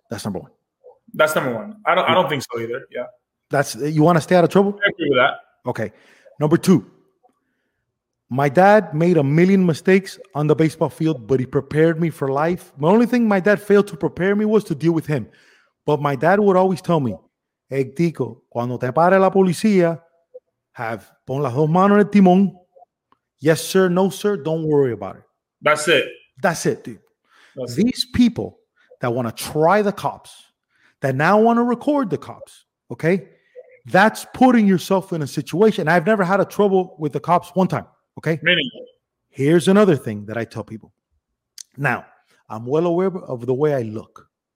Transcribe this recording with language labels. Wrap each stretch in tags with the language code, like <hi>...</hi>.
<en>That's number one. I don't think so either. You want to stay out of trouble? I agree with that. Okay. Number two, my dad made a million mistakes on the baseball field, but he prepared me for life. The only thing my dad failed to prepare me was to deal with him. But my dad would always tell me, hey,</en> <es>tico, cuando te pare la policía, pon las dos manos en el timón.</es> <en>Yes, sir. No, sir. Don't worry about it. That's it. That's it, dude. These people that want to try the cops, that now want to record the cops, okay? That's putting yourself in a situation. I've never had a trouble with the cops one time, okay? Many. Here's another thing that I tell people. Now, I'm well aware of the way I look.</en>